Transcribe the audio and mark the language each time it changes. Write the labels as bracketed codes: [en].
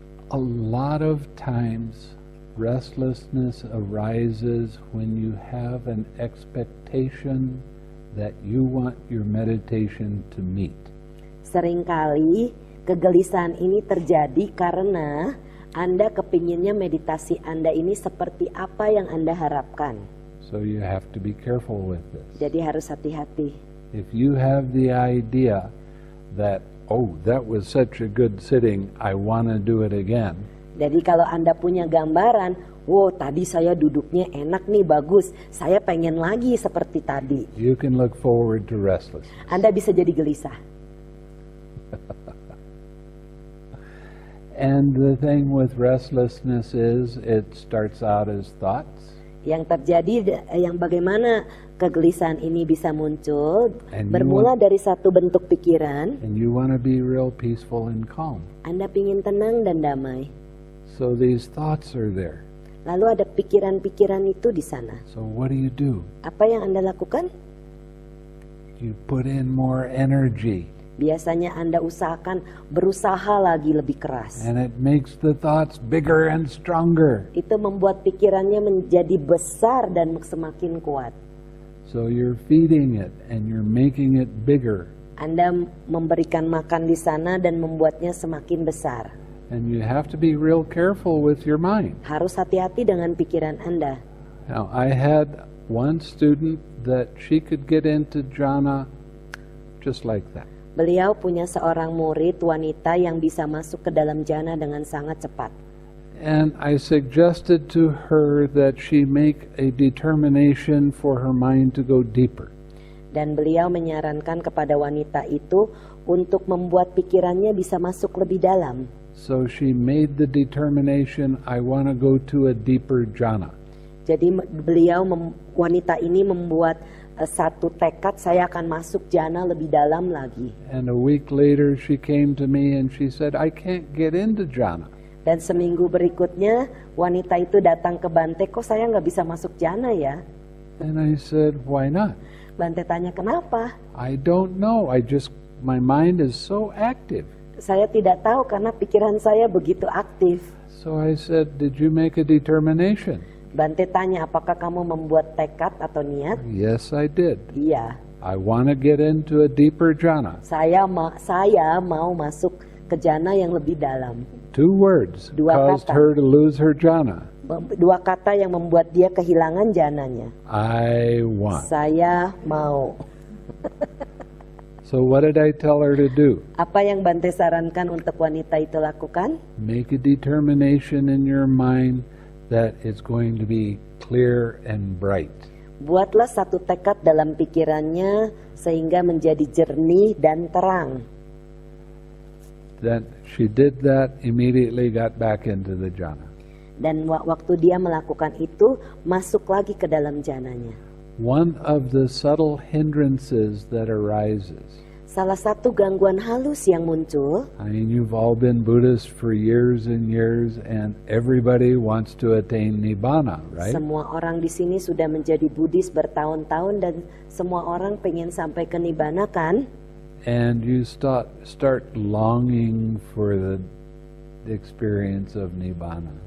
[en] A lot of times restlessness arises when you have an expectation that you want your meditation to meet. [id] Seringkali kegelisahan ini terjadi karena Anda kepinginnya meditasi Anda ini seperti apa yang Anda harapkan. [en] So you have to be careful with this. [id] Jadi harus hati-hati. [en] If you have the idea that, oh, that was such a good sitting, I want to do it again. [id] Jadi kalau Anda punya gambaran, wow, tadi saya duduknya enak nih, bagus, saya pengen lagi seperti tadi. [en] You can look forward to restlessness. [id] Anda bisa jadi gelisah. [en] And the thing with restlessness is it starts out as thoughts. [id] Yang terjadi, yang bagaimana kegelisahan ini bisa muncul, bermula dari satu bentuk pikiran. [en] And you want to be real peaceful and calm. [id] Anda pingin tenang dan damai. [en] So these thoughts are there. [id] Lalu ada pikiran-pikiran itu di sana. [en] So what do you do? [id] Apa yang Anda lakukan? [en] You put in more energy. [id] Biasanya Anda usahakan berusaha lagi lebih keras. [en] And it makes the thoughts bigger and stronger. [id] Itu membuat pikirannya menjadi besar dan semakin kuat. [en] So you're feeding it and you're making it bigger. [id] Anda memberikan makan di sana dan membuatnya semakin besar. [en] And you have to be real careful with your mind. [id] Harus hati-hati dengan pikiran Anda. [en] Now, I had one student that she could get into jhana just like that. [id] Beliau punya seorang murid wanita yang bisa masuk ke dalam jhana dengan sangat cepat. [en] And I suggested to her that she make a determination for her mind to go deeper. [id] Dan beliau menyarankan kepada wanita itu untuk membuat pikirannya bisa masuk lebih dalam. [en] So she made the determination, I want to go to a deeper jhana. [id] Jadi beliau, wanita ini membuat satu tekad, saya akan masuk jhana lebih dalam lagi. [en] And a week later she came to me and she said, I can't get into jhana. [id] Dan seminggu berikutnya wanita itu datang ke Bante, kok saya enggak bisa masuk jhana ya? [en] And I said, why not? [id] Bante tanya, kenapa? [en] I don't know, I just, my mind is so active. [id] Saya tidak tahu karena pikiran saya begitu aktif. [en] So I said, did you make a determination? [id] Bante tanya, apakah kamu membuat tekad atau niat? [en] Yes, I did. [id] Iya. [en] I want to get into a deeper jhana. [id] Saya mau masuk ke jhana yang lebih dalam. [en] Two words [id] dua [en] caused [id] kata. [en] Her to lose her jhana. [id] Dua kata yang membuat dia kehilangan jhananya. [en] I want. [id] Saya mau. [en] So what did I tell her to do? [id] Apa yang Bante sarankan untuk wanita itu lakukan? [en] Make a determination in your mind that it's going to be clear and bright. [id] Buatlah satu tekad dalam pikirannya sehingga menjadi jernih dan terang. [en] Then she did that, immediately got back into the jhana. [id] Dan waktu dia melakukan itu, masuk lagi ke dalam jhananya. [en] One of the subtle hindrances that arises. [id] Salah satu gangguan halus yang muncul. [en] I mean, you've all been Buddhist for years and years, and everybody wants to attain nibbana, right? [id] Semua orang di sini sudah menjadi Buddhis bertahun-tahun, dan semua orang pengen sampai ke nibbana, kan? [en] And you start longing for the experience of nibbana.